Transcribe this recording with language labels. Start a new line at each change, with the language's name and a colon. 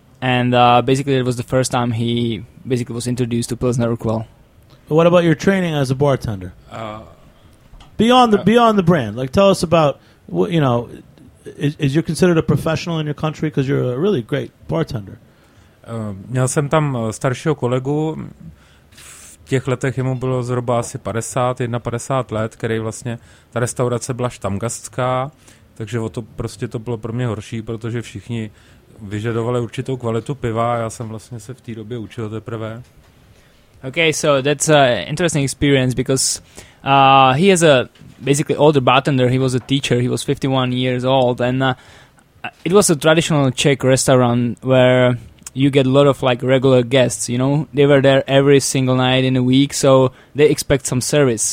English: And basically it was the first time he basically was introduced to Pilsner Urquell. But what about your training as a bartender? Beyond the brand, like tell us about, you know, is you're considered a professional in your country because you're a really great bartender?
Czech: Měl jsem tam staršího kolegu, v těch letech jemu bylo zhruba asi 51 let, který vlastně, ta restaurace byla štamgastská, takže o to prostě to bylo pro mě horší, protože všichni vyžadovali určitou kvalitu piva, já jsem vlastně se v té době učil teprve.
English: Okay, so that's an interesting experience, because he is a basically older bartender, he was a teacher, he was 51 years old, and it was a traditional Czech restaurant where you get a lot of like regular guests, you know, they were there every single night in a week, so they expect some service.